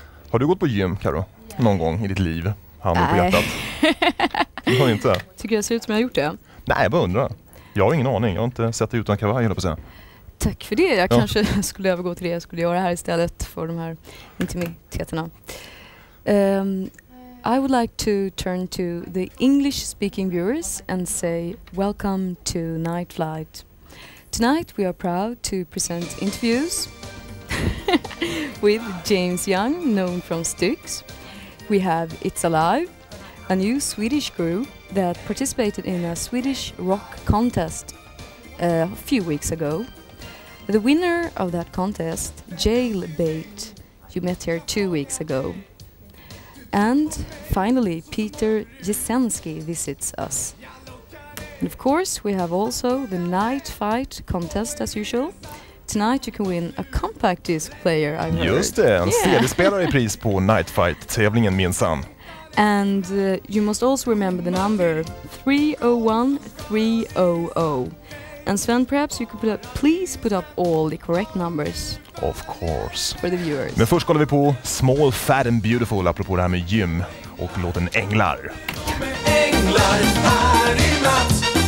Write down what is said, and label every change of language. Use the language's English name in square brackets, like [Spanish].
[Swedish] Har du gått på gym, Karo? Någon gång i ditt liv? Hand på hjärtat. Du har inte. Tycker jag ser ut som jag har gjort det? Nej, jag bara undrar. Jag har ingen aning. Jag har inte sett dig utan kavaj, eller på sig. Tack för det. Jag kanske skulle övergå till det. Jag skulle göra det här istället för de här intimiteterna. [English] I would like to turn to the English-speaking viewers and say welcome to Nightflight. Tonight we are proud to present interviews with James Young, known from Styx. We have It's Alive, a new Swedish group that participated in a Swedish rock contest a few weeks ago. The winner of that contest, Jailbait, you met here 2 weeks ago. And finally, Peter Jezewski visits us. And of course, we have also the Nightflight contest as usual. Tonight you can win a compact disc player, I heard. [Swedish] Just det, en CD-spelare i pris på Nightflight-tävlingen minsann. [English] And you must also remember the number 301-300. And Sven, perhaps you could please put up all the correct numbers. Of course. For the viewers. [Swedish] Men först kollar vi på Small, Fat and Beautiful, apropå det här med gym och låten Änglar. Med änglar här i natt.